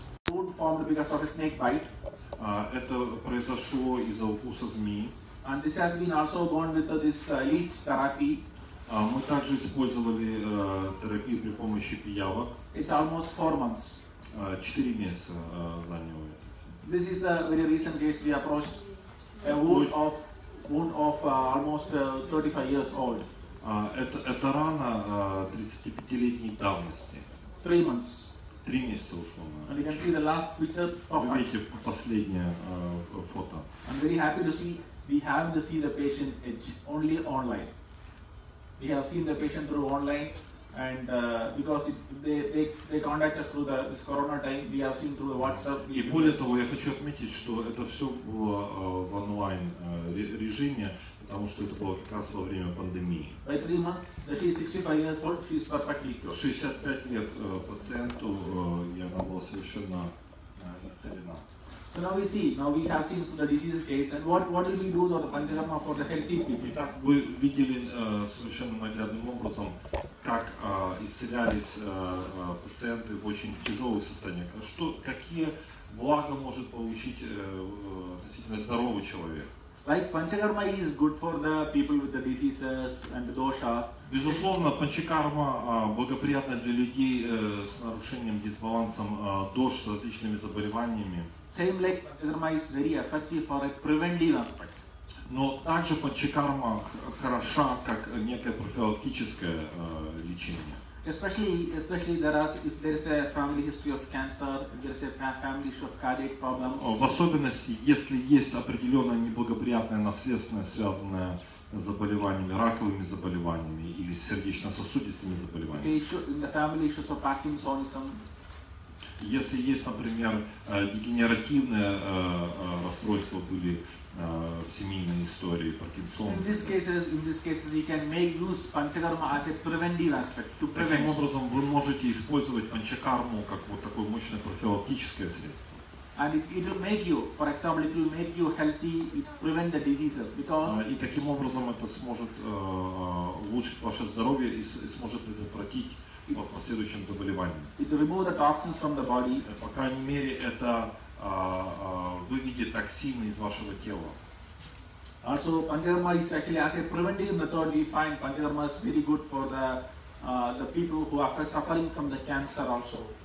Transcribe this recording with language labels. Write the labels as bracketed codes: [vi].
[en] Wound formed because of a snake bite. [ru] Это произошло из-за укуса змеи. [en] And this has been also gone with this leech therapy. [ru] Мы также использовали терапию при помощи пиявок. [en] It's almost 4 months. [ru] 4 месяца заняло это. [en] This is the very recent case we approached. A wound of almost 35 years old. [ru] Это рана 35-летней давности. [en] 3 months. [ru] 3 месяца ушло. [en] And you can see the last picture of. [ru] Вы видите последнее фото. [en] I'm very happy to see we have to see the patient edge only online. We have seen the patient through online, and because they contact us through this corona time, we have seen through the WhatsApp. [ru] И более того, я хочу отметить, что это все было в онлайн режиме, потому что это было как раз во время пандемии. [en] By 3 months, she is 65 years old. She is perfectly cured. [ru] 65 лет пациенту, и она была совершенно исцелена. [en] So now we see. Now we have seen the disease case, and what will we do for the panchakarma for the healthy people? [ru] Итак, вы видели совершенно наглядным образом, как исцелялись пациенты в очень тяжелых состояниях. Что, какие блага может получить относительно здоровый человек? [en] Like panchakarma is good for the people with the diseases and the doshas. [ru] Безусловно, панчакарма благоприятна для людей с нарушением, дисбалансом дош, с различными заболеваниями. [en] Same like panchakarma is very effective for a preventive aspect. [ru] Но также панчакарма хороша как некое профилактическое лечение. [en] Especially there is, if there is a family history of cancer, if there is a family history of cardiac problems. [ru] В особенности, если есть определенное неблагоприятное наследственное, связанное с заболеваниями, раковыми заболеваниями или сердечно-сосудистыми заболеваниями. [en] In the family history of Parkinsonism. [ru] Если есть, например, дегенеративное расстройство были в семейной истории Паркинсона. [en] In these cases, you can make use panchakarma as a preventive aspect to prevent. [ru] Таким образом, вы можете использовать панчакарму как вот такое мощное профилактическое средство. [en] And it will make you, for example, it will make you healthy, it prevent the diseases because. [ru] И таким образом это сможет улучшить ваше здоровье и сможет предотвратить. По последующим заболеваниям. [en] It removes the toxins from the body. [ru] По крайней мере, это выведет токсины из вашего тела. [en] Also, panchakarma is actually as a preventive method. We find panchakarma is very good for the people who are suffering from the cancer also.